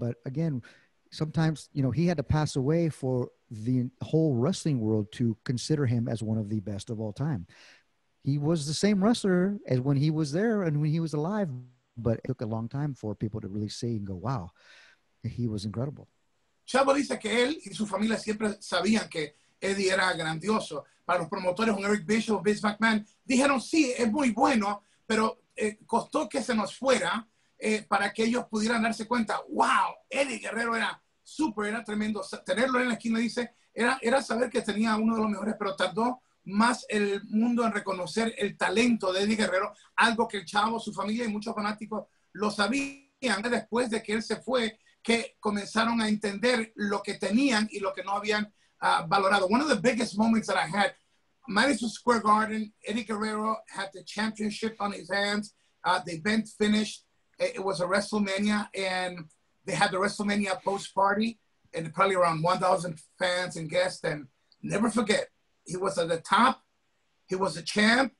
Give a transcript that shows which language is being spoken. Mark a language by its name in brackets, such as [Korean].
[English] But again, sometimes, you know, he had to pass away for the whole wrestling world to consider him as one of the best of all time. He was the same wrestler as when he was there and when he was alive, but it took a long time for people to really see and go, wow, he was incredible. [Spanish] Chavo dice que él y su familia siempre sabían que Eddie era grandioso. Para los promotores, un Eric Bischoff, Vince McMahon, dijeron, sí, es muy bueno, pero costó que se nos fuera para que ellos pudieran darse cuenta, wow, Eddie Guerrero era súper, era tremendo. Tenerlo en la esquina, dice, era saber que tenía uno de los mejores, pero tardó más el mundo en reconocer el talento de Eddie Guerrero, algo que el Chavo, su familia y muchos fanáticos lo sabían después de que él se fue, que comenzaron a entender lo que tenían y lo que no habían valorado. [English] One of the biggest moments that I had, Madison Square Garden, Eddie Guerrero had the championship on his hands. The event finished. It was a WrestleMania, and they had the WrestleMania post-party, and probably around 1,000 fans and guests. And never forget, he was at the top. He was a champ.